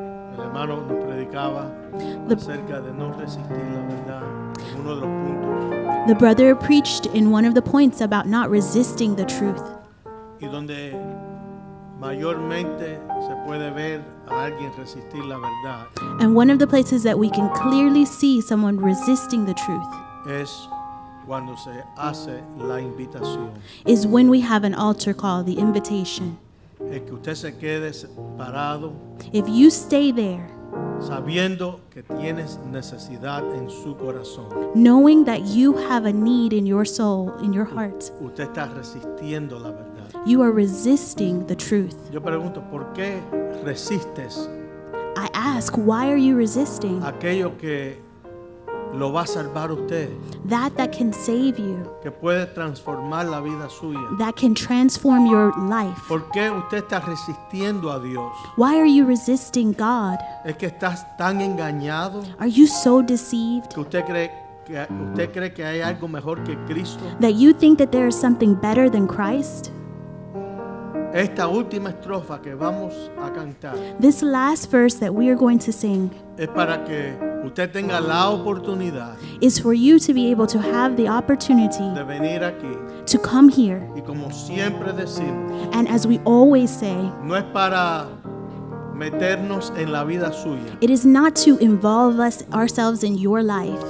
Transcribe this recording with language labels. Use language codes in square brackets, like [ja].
[es] El hermano nos predicaba acerca de no resistir la verdad. Uno de los puntos. [en] The brother preached in one of the points about not resisting the truth. [es] Y donde mayormente se puede ver a alguien resistir la verdad. [en] And one of the places that we can clearly see someone resisting the truth. [es] Es cuando se hace la invitación. [en] Is when we have an altar call, the invitation. [es] Que usted se quede parado. [en] If you stay there. [es] sabiendo que tienes necesidad en su corazón. [en] Knowing that you have a need in your soul, in your heart. [es] Usted está resistiendo la verdad. [en] You are resisting the truth. [es] Yo pregunto, ¿por qué resistes? [en] I ask, why are you resisting? [es] Aquello que lo va a salvar usted. [en] That can save you. [es] Que puede transformar la vida suya. [en] That can transform your life. [es] ¿Por qué usted está resistiendo a Dios? [en] Why are you resisting God? [es] ¿Es que estás tan engañado? [en] Are you so deceived? [es] ¿Que usted cree que hay algo mejor que Cristo? [en] That you think that there is something better than Christ? [es] Esta última estrofa que vamos a cantar. [en] This last verse that we are going to sing. [es] Es para que usted tenga la oportunidad. [en] Is for you to be able to have the opportunity. [es] De venir aquí. [en] To come here. [es] Y como siempre decimos. [en] And as we always say. [es] No es para meternos en la vida suya. [en] It is not to involve us ourselves in your life.